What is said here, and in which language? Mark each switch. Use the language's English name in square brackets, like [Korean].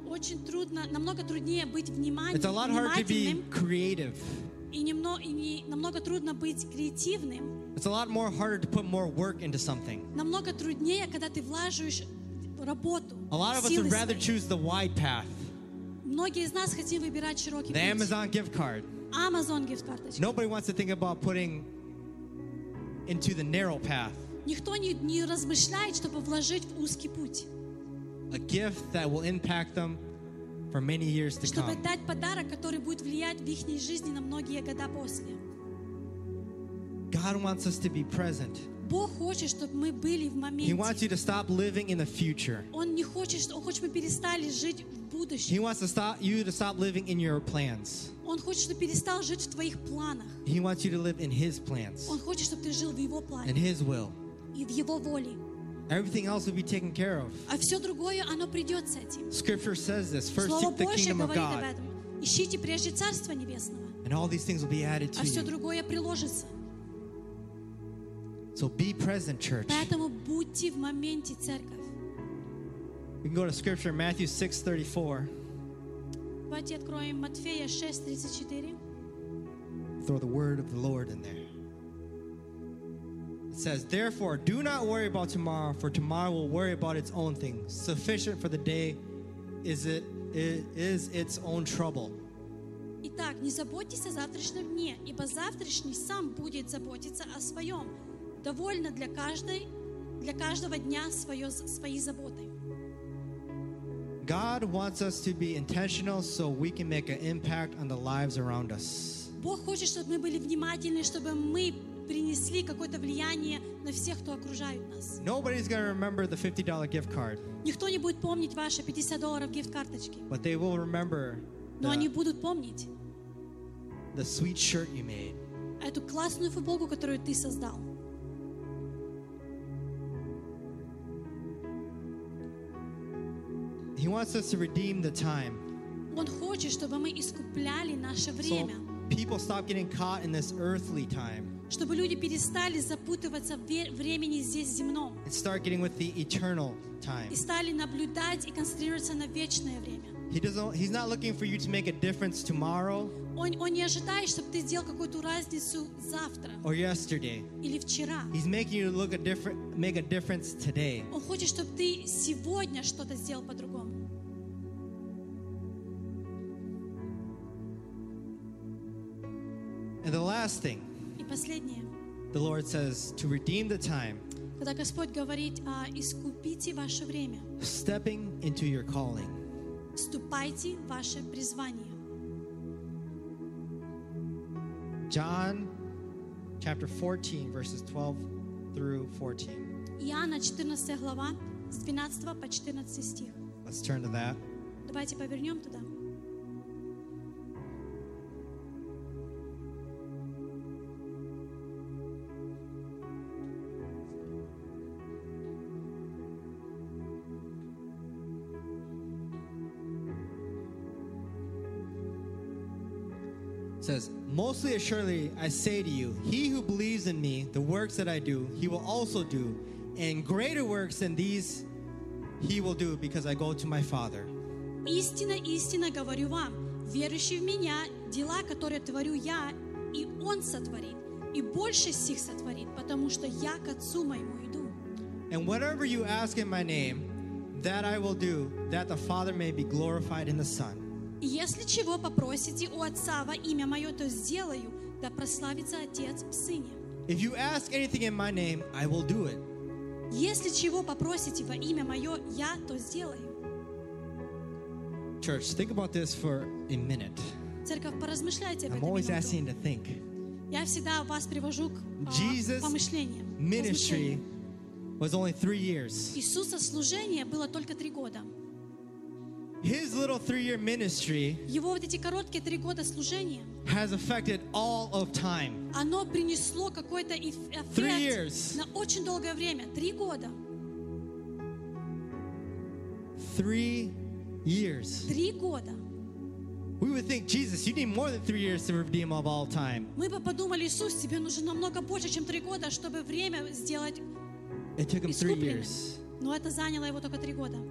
[Russian] Очень трудно, намного труднее быть внимательным. [English] It's a lot harder to be creative. [Russian] И намного трудно быть креативным. [English] It's a lot more harder to put more work into something. [Russian] Намного труднее, когда ты вложишь работу. [English] A lot of us would rather choose the wide path. [Russian] Многие из нас хотим выбирать широкий путь. [English] The Amazon gift card. Amazon gift card. Nobody wants to think about putting into the narrow path. [Russian] Никто не размышляет, чтобы вложить в узкий путь. [English] A gift that will impact them for many years to [Russian] чтобы [English] come. [Russian] Дать подарок, который будет влиять в их жизни на многие года после. [English] God wants us to be present. [Russian] Бог хочет, чтобы мы были в моменте. [English] He wants you to stop living in the future. [Russian] Он не хочет, он хочет, чтобы мы перестали жить в будущем. [English] He wants to stop you to stop living in your plans. [Russian] Он хочет, чтобы перестал жить в твоих планах. [English] He wants you to live in His plans. [Russian] Он хочет, чтобы ты жил в Его планах. [English] In His will. [Russian] И в Его воле. [English] Everything else will be taken care of. [Russian] А все другое, оно придет с этим. [English] Scripture says this. First, [Russian] Слово [English] seek the [Russian] Божие [English] kingdom of God. [Russian] Ищите прежде Царство Небесного. [English] And all these things will be added to [Russian] а А все другое приложится. [English] So be present, church. [Russian] Поэтому будьте в моменте, церковь. [English] We can go to Scripture, Matthew 6:34. [Russian] Давайте откроем Матфея 6:34. [English] Throw the word of the Lord in there. It says, therefore, do not worry about tomorrow, for tomorrow will worry about its own things. Sufficient for the day is its own trouble. [Russian] Итак, не заботьтесь о завтрашнем дне, ибо завтрашний сам будет заботиться о своем. Довольно для каждого дня свои заботы. [English] God wants us to be intentional so we can make an impact on the lives around us. [Russian] Бог хочет, чтобы мы были внимательны, чтобы мы принесли какое-то влияние на всех, кто окружает нас. [English] Nobody's gonna remember the $50 gift card. [Russian] Никто не будет помнить ваши $50 gift карточки. [English] But they will remember. [Russian] Но они будут помнить. [English] The sweet shirt you made. [Russian] Эту классную футболку, которую ты создал. [English] He wants us to redeem the time. [Russian] Он хочет, чтобы мы искупляли наше время. [English] So people stop getting caught in this earthly time. [Russian] Чтобы люди перестали запутываться в времени здесь земном. [English] And start getting with the eternal time. [Russian] И стали наблюдать и концентрироваться на вечное время. [English] He's not looking for you to make a difference tomorrow. [Russian] Он не ожидает, чтобы ты сделал какую-то разницу завтра. [English] Or yesterday. [Russian] Или вчера. [English] He's making you make a difference today. [Russian] Он хочет, чтобы ты сегодня что-то сделал по-другому. [English] And the last thing. The Lord says to redeem the time. [Russian] Когда Господь говорит, искупите ваше время. [English] Stepping into your calling. [Russian] Вступайте в ваше призвание. [English] John chapter 14 verses 12 through 14. [Russian] Иоанна 14 глава с 12 по 14 стих. [English] Let's turn to that. [Russian] Давайте повернем туда. [English] Says, mostly assuredly, I say to you, he who believes in me, the works that I do, he will also do, and greater works than these he will do, because I go to my Father. [Russian] Истинно, истинно говорю вам, верующий в меня, дела, которые творю я, и он сотворит, и больше сих сотворит, потому что я к Отцу моему иду. [English] And whatever you ask in my name, that I will do, that the Father may be glorified in the Son. [Russian] Если чего попросите у Отца во имя Мое, то сделаю, да прославится Отец в Сыне. [English] If you ask anything in my name, I will do it. [Russian] Если чего попросите во имя Мое, я то сделаю. [English] Church, think about this for a minute. [Russian] Церковь, поразмышляйте об этом. [English] I'm always asking you to think. [Russian] Я всегда вас привожу к помышлениям. [English] Ministry was only 3 years. [Russian] Иисуса служение было только 3 года. [English] His little 3-year ministry. [Russian] Его вот эти короткие 3 года служения. [English] Has affected all of time. [Russian] Оно принесло какой-то эффект. [English] 3 years. [Russian] На очень долгое время, 3 года. [English] 3 years. [Russian] 3 года. [English] We would think, Jesus, you need more than 3 years to redeem of all time. [Russian] Мы бы подумали, Иисус, тебе нужно намного больше, чем 3 года, чтобы время сделать. [English] It took him 3 years. [Russian] Но это заняло его только 3 года.